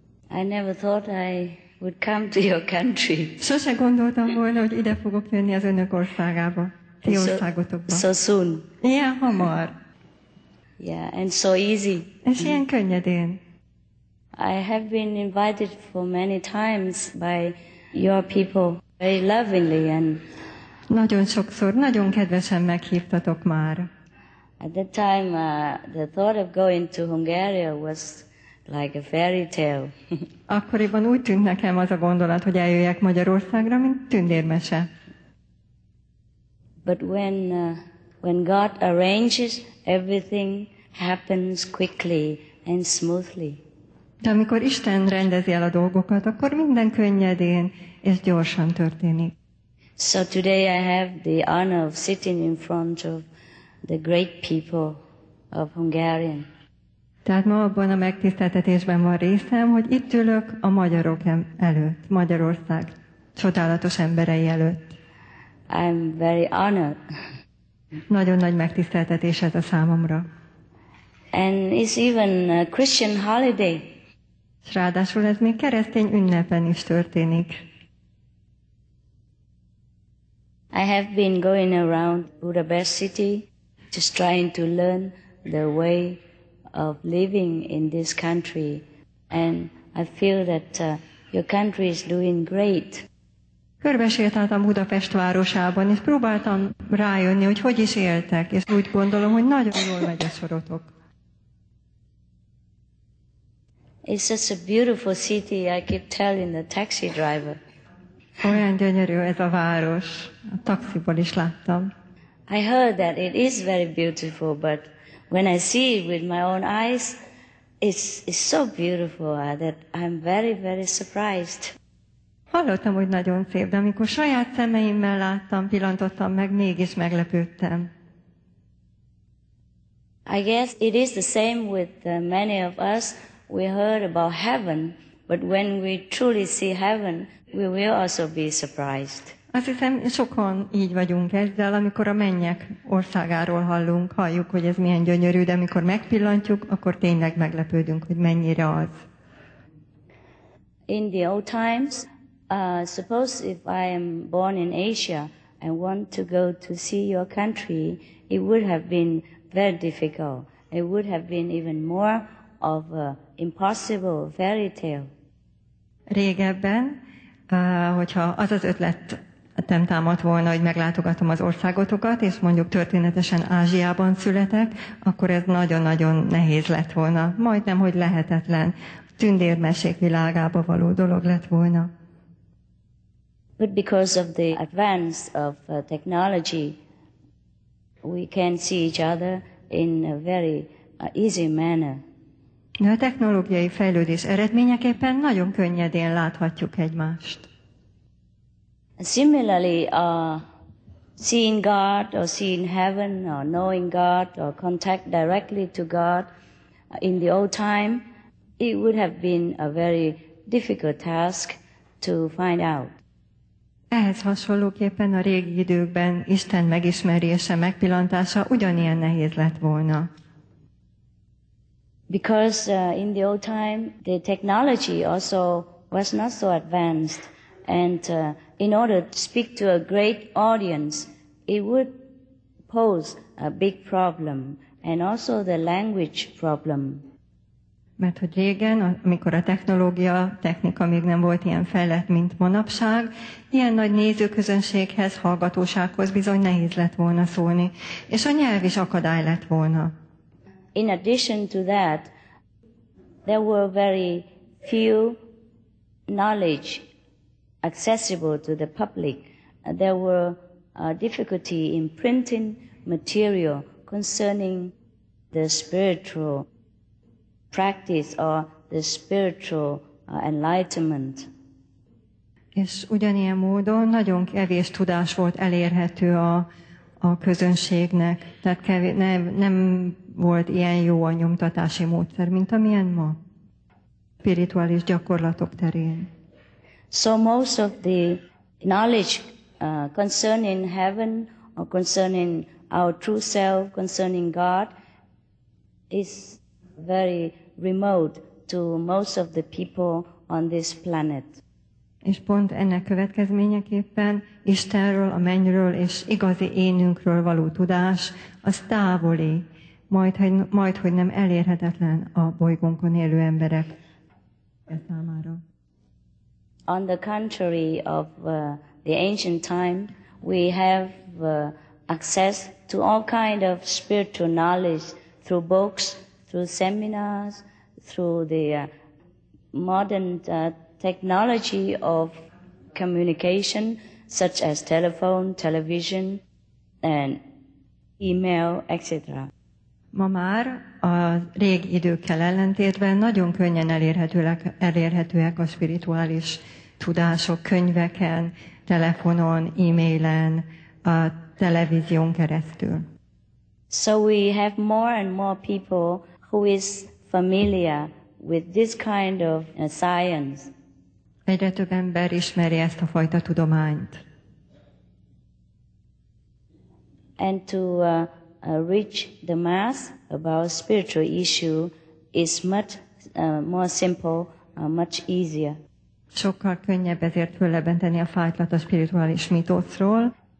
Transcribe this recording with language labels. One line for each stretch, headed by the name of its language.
English: I never thought I would come to your country.
Hungarian: Sose gondoltam volna, hogy ide fogok jönni az önök országába, ti országotokba.
English: So soon.
Hungarian: Ilyen hamar.
English: Yeah, and so easy.
Hungarian: És ilyen könnyedén.
English: I have been invited for many times by your people, very lovingly and.
Hungarian: Nagyon sokszor, nagyon kedvesen meghívtatok már.
English: At that time, the thought of going to Hungary was like a fairy tale.
Hungarian: Akkoriban úgy tűnt nekem az a gondolat, hogy eljöjjek Magyarországra, mint tündérmese.
English: But when God arranges. Everything happens quickly and smoothly.
Hungarian: De amikor Isten rendezi el a dolgokat, akkor minden könnyedén és gyorsan történik.
English: So today I have the honor of sitting in front of the great people of Hungary.
Hungarian: Tehát ma abban a megtiszteltetésben van részem, hogy itt ülök a magyarok előtt, Magyarország csodálatos emberei előtt.
English: I'm very honored.
Hungarian: Nagyon nagy megtiszteltetés ez a számomra.
English: And it's even a Christian holiday.
Hungarian: S ráadásul ez még keresztény ünnepen is történik.
English: I have been going around Budapest city just trying to learn the way of living in this country, and I feel that your country is doing great.
Hungarian: Körbesétáltam Budapest városában, és próbáltam rájönni, hogy hogy is éltek, és úgy gondolom, hogy nagyon jól megy a sorotok.
English: It's such a beautiful city, I keep telling the taxi driver.
Hungarian: Olyan gyönyörű ez a város, a taxiból is láttam.
English: I heard that it is very beautiful, but when I see it with my own eyes, it's so beautiful that I'm very, very surprised.
Hungarian: Hallottam, hogy nagyon szép, de amikor saját szemeimmel láttam, pillantottam meg, mégis meglepődtem.
English: I guess it is the same with many of us. We heard about heaven, but when we truly see heaven, we will also be surprised.
Hungarian: Azt hiszem, sokan így vagyunk ezzel, amikor a mennyek országáról hallunk, halljuk, hogy ez milyen gyönyörű, de amikor megpillantjuk, akkor tényleg meglepődünk, hogy mennyire az.
English: In the old times, suppose if I am born in Asia and want to go to see your country, it would have been very difficult. It would have been even more of an impossible fairy tale.
Hungarian: Régebben, hogyha az az ötlet nem támadt volna, hogy meglátogatom az országotokat, és mondjuk történetesen Ázsiában születek, akkor ez nagyon-nagyon nehéz lett volna. Majdnem, hogy lehetetlen. Tündérmesék világába való dolog lett volna.
English: But because of the advance of technology, we can see each other in a very easy manner.
Hungarian: De a technológiai fejlődés eredményeképpen nagyon könnyedén láthatjuk egymást.
English: Similarly, seeing God or seeing heaven or knowing God or contact directly to God in the old time, it would have been a very difficult task to find out.
Hungarian: Ehhez hasonlóképpen a régi időkben Isten megismerése, megpillantása ugyanilyen nehéz lett volna.
English: Because in the old time, the technology also was not so advanced, and in order to speak to a great audience, it would pose a big problem, and also the language problem.
Hungarian: Mert hogy régen, amikor a technika még nem volt ilyen fejlett, mint manapság, ilyen nagy nézőközönséghez, hallgatósághoz bizony nehéz lett volna szólni, és a nyelv is akadály lett volna.
English: In addition to that, there were very few knowledge accessible to the public. There were difficulty in printing material concerning the spiritual practice or the spiritual enlightenment.
Hungarian: És ugyanilyen módon nagyon kevés tudás volt elérhető a közönségnek, tehát nem volt ilyen jó a nyomtatási módszer, mint amilyen ma spirituális gyakorlatok terén.
English: So most of the knowledge concerning heaven or concerning our true self, concerning God, is very remote to most of the people on this planet.
Hungarian: És pont ennek következményeképpen Istenről, a mennyről és igazi énünkről való tudás az távoli, majdhogy nem elérhetetlen a bolygónkon élő emberek számára.
English: On the contrary of the ancient time, we have access to all kind of spiritual knowledge through books, through seminars, through the modern technology of communication, such as telephone, television, and email, etc.
Hungarian: Ma már a régi időkkel ellentétben nagyon könnyen elérhetőek a spirituális tudások könyveken, telefonon, e-mailen, a televízión keresztül.
English: So we have more and more people who is familiar with this kind of science.
Hungarian: Egyre több ember ismeri ezt a fajta tudományt.
English: And to reach the mass about spiritual issue is much more simple much easier.
Hungarian: Sokkal könnyebb ezért föllebenteni a fájtlat a spirituális mítoszról.